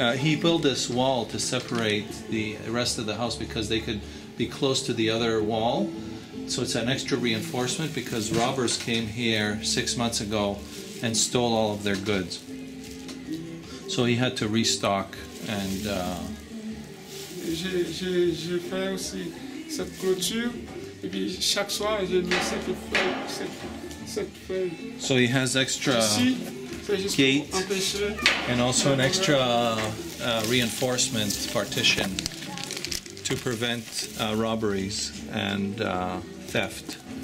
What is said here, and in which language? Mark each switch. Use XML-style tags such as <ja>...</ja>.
<en>He built this wall to separate the rest of the house because they could be close to the other wall. So it's an extra reinforcement because robbers came here 6 months ago and stole all of their goods. So he had to restock and...</en> <fr>J'ai fait aussi cette clôture et puis chaque soir j'ai mis cette feuille.</fr> <en>So he has extra gate and also an extra reinforcement partition to prevent robberies and theft.</en>